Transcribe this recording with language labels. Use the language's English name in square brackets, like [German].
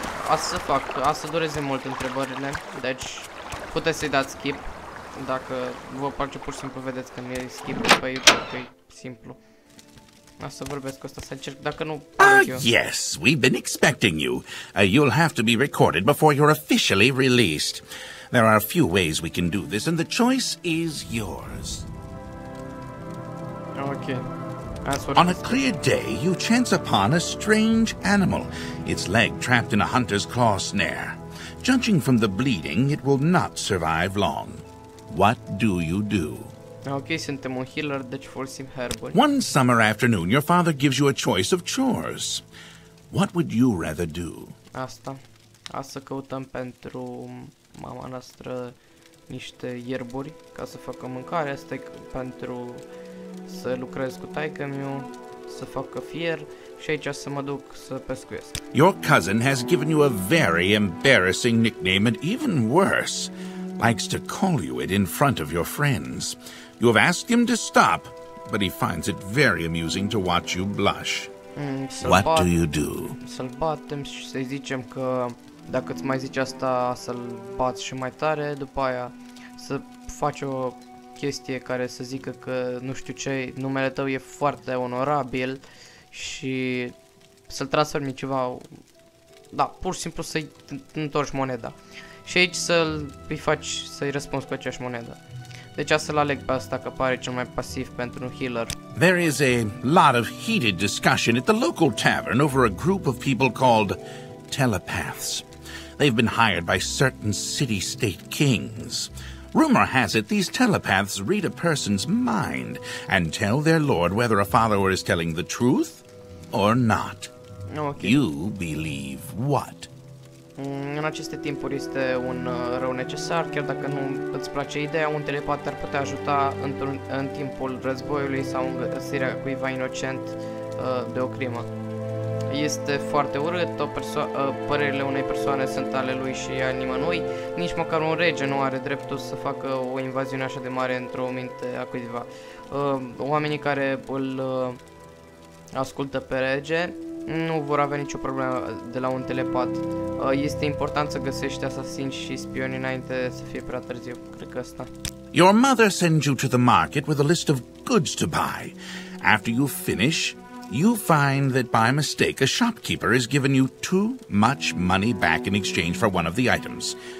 [Romanian] Asta să fac, asta dureze mult întrebările, deci puteți să-i dați skip. Dacă vă place, pur și simplu vedeți când e skip pe YouTube, că e simplu. O să vorbesc cu asta, să încerc, dacă nu... [English] Yes, we've been expecting you. You'll have to be recorded before you're officially released. There are a few ways we can do this, and the choice is yours. Ok. On a clear day, you chance upon a strange animal, its leg trapped in a hunter's claw snare. Judging from the bleeding, it will not survive long. What do you do? [Romanian] Okay, suntem un healer, deci folosim herbul. [English] One summer afternoon, your father gives you a choice of chores. What would you rather do? [Romanian] Asta. Asta căutăm pentru mama noastră niște ierburi ca să facă mâncare. Asta pentru să lucrez cu taică-miu, să facă fier și aici să mă duc să pescuiesc. [English] Your cousin has given you a very embarrassing nickname and even worse, likes to call you it in front of your friends. You have asked him to stop, but he finds it very amusing to watch you blush. What do you do? [Romanian] Să-l batem și să-i zicem că dacă îți mai zici asta, să-l bați și mai tare, după aia să faci o chestie care să zică că nu știu ce, numele tău e foarte onorabil și să-l transformi ceva, da, pur și simplu să-i întorci moneda și aici să-l îi faci să-i răspunzi cu aceeași monedă. Deci să-l aleg pe asta că pare cel mai pasiv pentru un healer. [English] There is a lot of heated discussion at the local tavern over a group of people called telepaths. They've been hired by certain city-state kings. Rumor has it these telepaths read a person's mind and tell their lord whether a follower is telling the truth or not. Okay. You believe what? [Romanian] În aceste timpuri este un rău necesar, chiar dacă nu îți place ideea, un telepat ar putea ajuta în timpul războiului sau în găsirea cuiva inocent de o crimă. Este foarte urât, părerile unei persoane sunt ale lui și a nimănui, nici măcar un rege nu are dreptul să facă o invaziune așa de mare într-o minte a cuiva. Oamenii care îl ascultă pe rege nu vor avea nicio problemă de la un telepat. Este important să găsești asasin și spion înainte să fie prea târziu, cred că asta. [English] Your mother sends you to the market with a list of goods to buy. After you finish, you find that by mistake a shopkeeper has given you too much money back in exchange for one of the items.